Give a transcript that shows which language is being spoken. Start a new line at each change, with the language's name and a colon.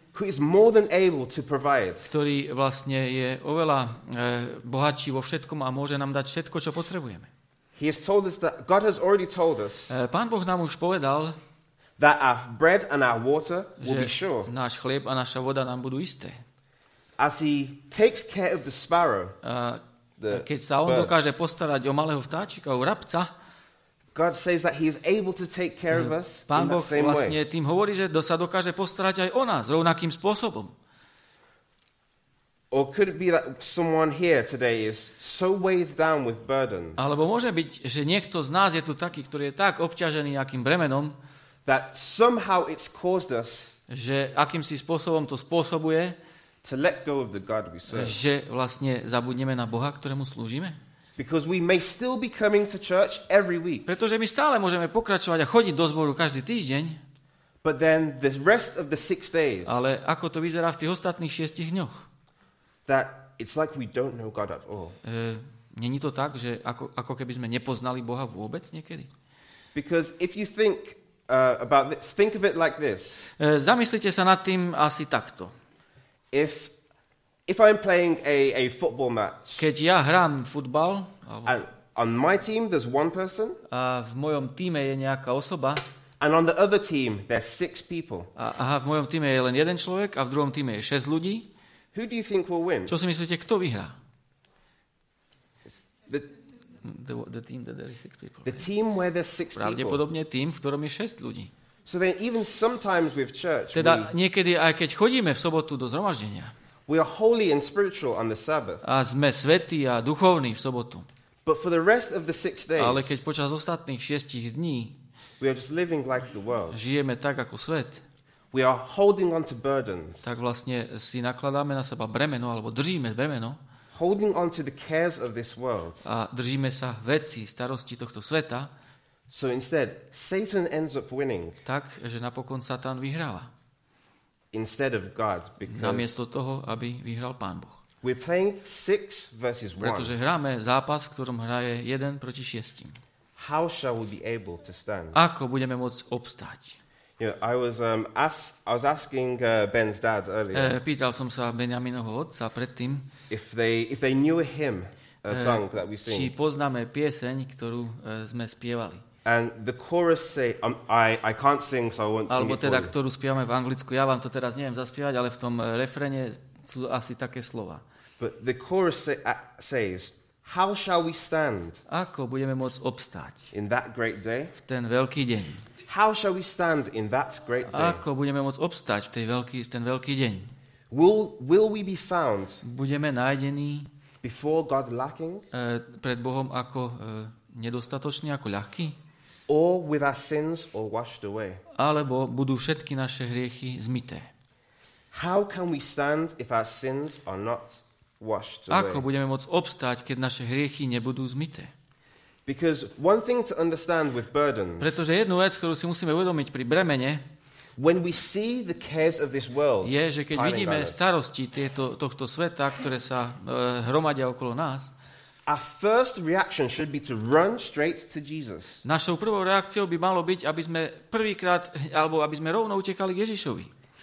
English: who is more than able to provide,
Slovak: ktorý vlastne je oveľa bohatší vo všetkom a môže nám dať všetko, čo potrebujeme.
English: He has told us that God has already told us.
Slovak: Pán Boh nám už povedal,
English: that our bread and our water will be sure.
Slovak: Náš chlieb a naša voda nám budú isté.
English: As he takes care of the sparrow,
Slovak: keď sa on dokáže postarať o malého vtáčika, o vrabca,
English: God says that he is able to take care of us.
Slovak: Pán Boh vlastne tým hovorí, že sa dokáže postarať aj o nás rovnakým spôsobom.
English: Or could it be that someone here today is so weighed down with burdens?
Slovak: Alebo môže byť, že niekto z nás je tu taký, ktorý je tak obťažený nejakým bremenom,
English: that somehow it's caused us,
Slovak: že akýmsi spôsobom to spôsobuje,
English: to let go of the God we serve.
Slovak: Že vlastne zabudneme na Boha, ktorému slúžime.
English: Because we may still be coming to church every week.
Slovak: Pretože my stále môžeme pokračovať a chodiť do zboru každý týždeň.
English: But then the rest of the 6 days.
Slovak: Ale ako to vyzerá v tých ostatných 6 dňoch?
English: That it's like we don't know God at all.
Slovak: Není to tak, že ako keby sme nepoznali Boha vôbec niekedy?
English: Because if you think about this, think of it like this.
Slovak: Zamyslite sa nad tým asi takto.
English: If I'm playing a football match.
Slovak: Keď ja hrám futbal,
English: on my team there's one person.
Slovak: A v mojom tíme je nejaká osoba.
English: And on the other team there's 6 people.
Slovak: A v mojom tíme je len jeden človek a v druhom tíme je 6 ľudí.
English: Who do you think will win?
Slovak: Čo si myslíte, kto vyhrá?
English: The team that there is 6 people. The team where there's 6 people.
Slovak: Pravdepodobne tým, v ktorom je 6 ľudí.
English: So then even sometimes with church.
Slovak: Teda niekedy aj keď chodíme v sobotu do zhromaždenia.
English: We are holy and spiritual on the Sabbath.
Slovak: A sme svätí a duchovní v sobotu.
English: But for the rest of the 6 days.
Slovak: Ale keď počas ostatných 6 dní.
English: We are just living like the world.
Slovak: Žijeme tak ako svet.
English: We are holding on to burdens.
Slovak: Tak vlastne si nakladáme na seba bremeno alebo držíme bremeno.
English: Holding on to the cares of this world.
Slovak: A držíme sa veci, starosti tohto sveta.
English: So instead, Satan ends up winning.
Slovak: Tak, že napokon Satan vyhráva.
English: Instead of God, because
Slovak: namiesto toho, aby vyhral Pán Boh.
English: We're playing 6 versus 1.
Slovak: Pretože hráme zápas, v ktorom hraje 1 proti 6.
English: How shall we be able to stand?
Slovak: Ako budeme môcť obstáť?
English: You know, I was asking Ben's dad earlier.
Slovak: Pýtal som sa Benjaminovho otca predtým.
English: If they knew him, a song that we sing.
Slovak: Či poznáme pieseň, ktorú sme spievali.
English: And the chorus say I can't sing, so I won't sing.
Slovak: Alebo teda, ktorú spievame v anglicku, ja vám to teraz neviem zaspievať, ale v tom refréne sú asi také slova.
English: But the chorus says how shall we stand?
Slovak: Ako budeme môcť obstáť?
English: In that great day?
Slovak: V ten veľký deň.
English: How shall we stand in that great day?
Slovak: Ako budeme môcť obstáť v ten veľký deň?
English: Will we be found?
Slovak: Budeme nájdení?
English: Before God lacking?
Slovak: Pred Bohom ako nedostatočný, ako ľahký?
English: Or with our sins all washed away?
Slovak: Alebo budú všetky naše hriechy zmité?
English: How can we stand if our sins are not washed away?
Slovak: Ako budeme môcť obstáť, keď naše hriechy nebudú zmité?
English: Because one thing to understand with burdens.
Slovak: Pretože jednu vec, ktorú si musíme uvedomiť pri bremene,
English: when we see the cares of this world,
Slovak: je, že keď vidíme starosti tohto sveta, ktoré sa hromadia okolo nás,
English: our first reaction should be to run straight to Jesus.
Slovak: Našou prvou reakciou by malo byť, aby sme prvýkrát alebo aby sme rovno utekali k Ježišovi.